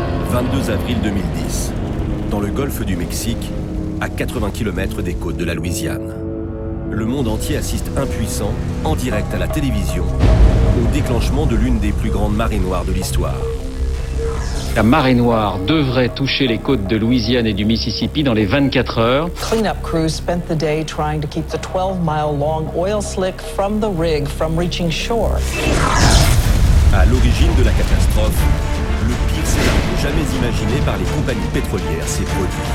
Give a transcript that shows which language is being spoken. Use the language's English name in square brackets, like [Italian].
[French] 22 avril 2010, dans le golfe du Mexique, à 80 km des côtes de la Louisiane. Le monde entier assiste impuissant, en direct à la télévision, au déclenchement de l'une des plus grandes marées noires de l'histoire. La marée noire devrait toucher les côtes de Louisiane et du Mississippi dans les 24 heures. [English] Cleanup crews spent the day trying to keep the 12-mile-long oil slick from the rig from reaching shore. [French] À l'origine de la catastrophe, le pire scénario jamais imaginé par les compagnies pétrolières s'est produit.